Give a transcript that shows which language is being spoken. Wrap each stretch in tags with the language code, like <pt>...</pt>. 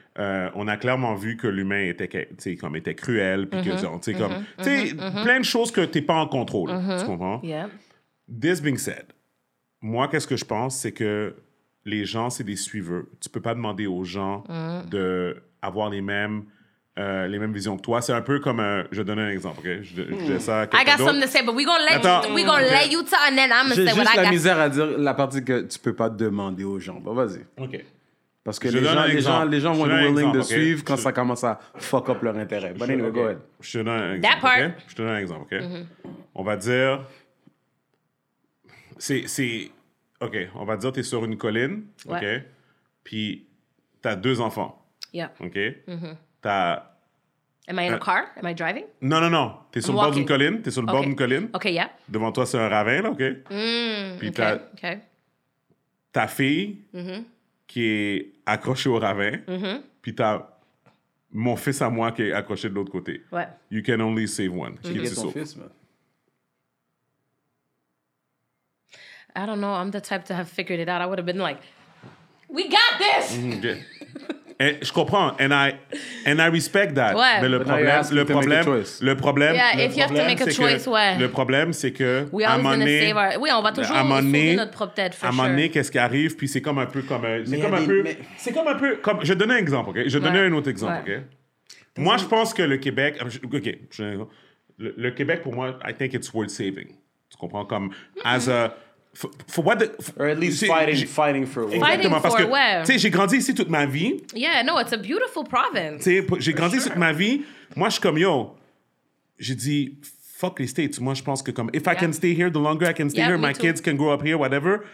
<fr>on a clairement vu que l'humain était, tu sais, comme était cruel, puis que, tu sais, comme, tu sais, plein de choses que t'es pas en contrôle, tu comprends?</fr> <en>This being said,</en> <fr>moi, qu'est-ce que je pense, c'est que les gens, c'est des suiveurs. Tu peux pas demander aux gens de avoir les mêmes visions que toi. C'est un peu comme, je donne un exemple, ok? Je dis ça.</fr> <en>I got something to say, but we gonna let you talk, and then I'm gonna say what I got.</en> <fr>J'ai juste la misère à dire la partie que tu peux pas demander aux gens. Bon, vas-y. Ok. Parce que les gens vont être willing de suivre quand ça commence à fuck up leur intérêt.</fr> <en>But anyway, go ahead.</en> <fr>Je te donne un exemple.</fr> <en>That part.</en> <fr>Okay? Je te donne un exemple, OK? On va dire... C'est... OK, on va dire que tu es sur une colline, OK?</fr> <en>What?</en> <fr>Puis tu as deux enfants.</fr> <en>Yeah.</en> <fr>OK? Tu as...</fr> <en>Am I in a car? Am I driving?</en> <fr>Non. T'es sur le bord d'une colline. T'es sur le bord d'une colline.</fr> <en>OK, yeah.</en> <fr>Devant toi, c'est un ravin, là, OK? Puis tu as... OK. Ta fille... qui est accroché au ravin, puis t'as mon fils à moi qui est accroché de l'autre côté. Ouais.</fr> <en>You can only save one.</en> <fr>Qui est ton fils, man?</fr> <en>I don't know. I'm the type to have figured it out. I would have been like, we got this! Okay.</en> <fr>Je comprends.</fr> <en>And I respect that.</en> <fr>Ouais. Mais le problème...</fr> <en>Yeah, if you have to make a choice, ouais.</en> <fr>Le problème, c'est que...</fr> <en>We always gonna save our...</en> <fr>Oui, on va toujours sauver notre propre tête,</fr> <en>for sure.</en> <fr>À un moment donné, qu'est-ce qui arrive, puis c'est comme un peu comme... C'est comme un peu comme... Je vais donner un exemple, OK? Je vais donner un autre exemple, OK? Moi, je pense que le Québec... OK. Le Québec, pour moi,</fr> <en>I think it's worth saving.</en> <fr>Tu comprends? Comme,</fr> <en>as a... Fighting for,</en> <fr>tu sais, j'ai grandi ici toute ma vie.</fr> <en>Yeah, no, it's a beautiful province.</en> <fr>Tu sais, j'ai grandi ici toute ma vie. Moi, je suis comme, yo, j'ai dit, fuck les States. Moi, je pense que comme,</fr> <en>if I can stay here, the longer I can stay here, my kids can grow up here, whatever.</en>